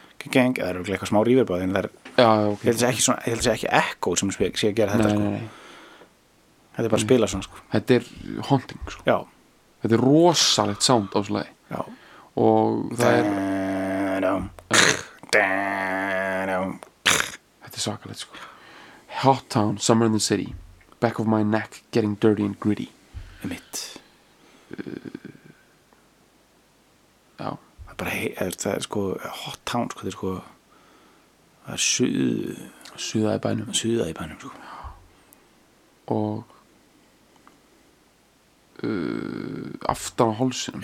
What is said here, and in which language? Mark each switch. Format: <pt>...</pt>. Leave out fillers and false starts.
<is>Geng, það eru eitthvað smá rífirbáði En það er, heldur þessi ekki ekko sem sé að gera þetta, sko Þetta er bara að spila svona sko. Þetta er</is> <en>haunting</en> <is>sko. Já. Þetta er rosalegt</is> <en>sound</en> <is>á slagi. Já. Og það er Þetta er svakalegt sko.</is> <en>Hot town, summer in the city. Back of my neck getting dirty and gritty.</en> <is>Mitt. Já. Það bara það er sko</is> <en>hot town</en> <is>sko, það er sko það er suða í bænum sko. Og aftan á hálsinum</is>